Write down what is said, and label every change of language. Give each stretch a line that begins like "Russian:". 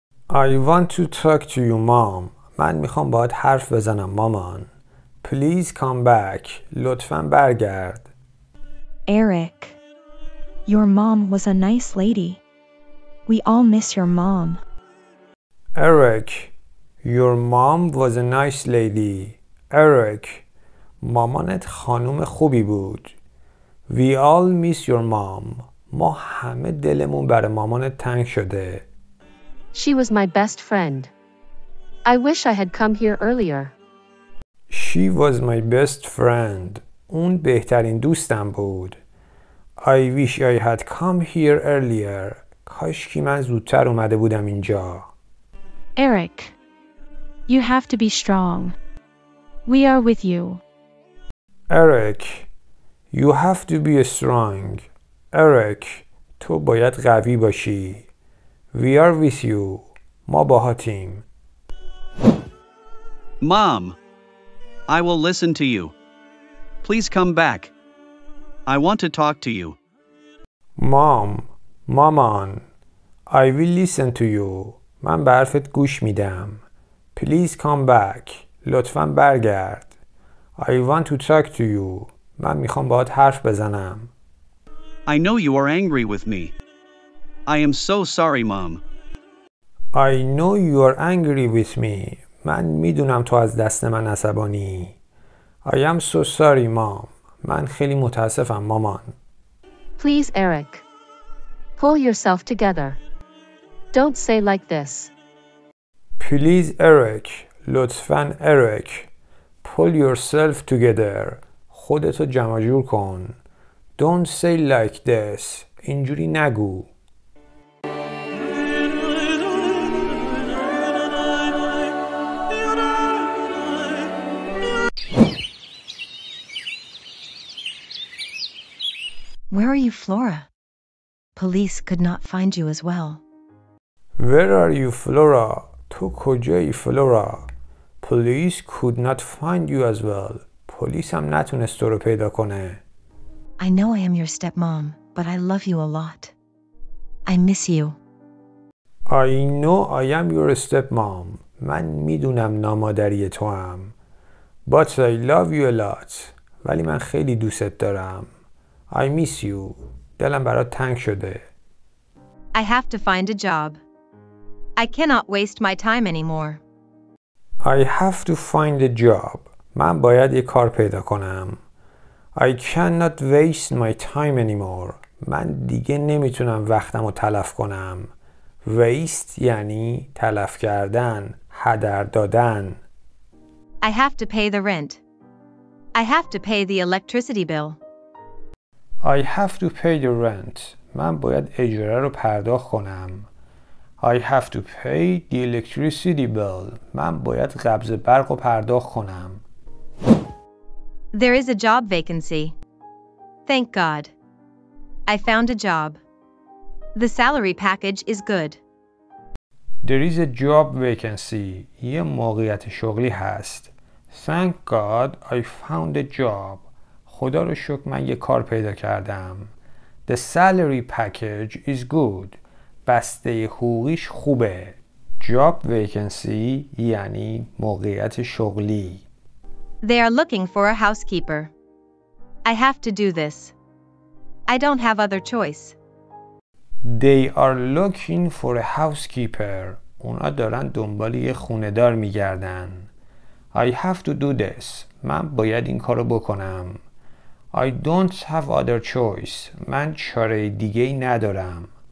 English: I want to talk to you, mom.
Persian: من میخوام باهات حرف بزنم, مامان.
English: Please come back.
Persian: لطفاً برگرد.
English: Eric, your mom was a nice lady. We all miss your mom. Eric, your mom was a nice lady.
Persian: Eric, مامانت خانوم خوبی بود.
English: We all miss your mom.
Persian: ما همه دلمون برای مامانت تنگ شده.
English: She was my best friend. I wish I had come here earlier. She was my best friend.
Persian: اون بهترین دوستم بود.
English: I wish I had come here earlier.
Persian: کاشکی من زودتر اومده بودم اینجا.
English: Eric, you have to be strong. We are with you. Eric, you have to be strong.
Persian: Eric, تو باید قوی باشی.
English: We are with you.
Persian: ما باهاتیم.
English: Mom, I will listen to you. Please come back. I want to talk to you. Mom, مامان، I will listen to you.
Persian: من به حرفت گوش میدم.
English: Please come back.
Persian: لطفاً برگرد.
English: I want to talk to you.
Persian: من میخوام باهات حرف بزنم.
English: I know you are angry with me. I am so sorry, mom. I know you are angry with me.
Persian: من میدونم تو از دست من عصبانی.
English: I am so sorry, mom.
Persian: من خیلی متاسفم، مامان.
English: Please, Eric. Pull yourself together. Don't say like this. Please, Eric. لطفاً Eric. Pull yourself together.
Persian: خودتو جمع جور کن.
English: Don't say like this.
Persian: اینجوری نگو.
English: Where are you, Flora? Police could not find you as well. Where are you, Flora?
Persian: تو کجایی, Flora?
English: Police could not find you as well.
Persian: پلیس هم نتونست تو رو پیدا کنه.
English: I know I am your stepmom, but I love you a lot. I miss you. I know I am your stepmom.
Persian: من میدونم نامادری تو هم.
English: But I love you a lot.
Persian: ولی من خیلی دوستت دارم.
English: I miss you.
Persian: دلم برات تنگ شده.
English: I have to find a job. I cannot waste my time anymore. I have to find a job.
Persian: من باید یک کار پیدا کنم.
English: I cannot waste my time anymore.
Persian: من دیگه نمیتونم وقتم رو تلف کنم. Waste یعنی تلف کردن، هدر دادن.
English: I have to pay the rent. I have to pay the electricity bill. I have to pay the rent.
Persian: من باید اجاره رو پرداخت کنم.
English: I have to pay the electricity bill.
Persian: من باید قبض برق رو پرداخت کنم.
English: There is a job vacancy. Thank God. I found a job. The salary package is good. There is a job vacancy.
Persian: یه موقعیت شغلی هست.
English: Thank God I found a job.
Persian: خدا رو شکر من یه کار پیدا کردم.
English: The salary package is good.
Persian: بسته حقوقیش خوبه. Job vacancy یعنی موقعیت شغلی.
English: They are looking for a housekeeper. I have to do this. I don't have other choice. They are looking for a housekeeper.
Persian: اونا دارن دنبال یه خونه‌دار می‌گردن.
English: I have to do this.
Persian: من باید این کارو بکنم.
English: I don't have other choice.
Persian: من چاره دیگه ای ندارم.